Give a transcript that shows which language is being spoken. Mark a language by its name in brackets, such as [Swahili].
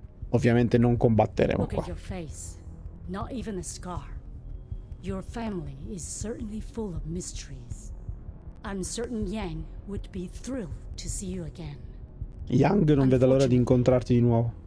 [Italian] Ovviamente non combatteremo qua. [English] Not even a scar. Your family is certainly full of mysteries. I'm certain Yang would be thrilled to see you again. [Italian] Yang non vede l'ora di incontrarti di nuovo.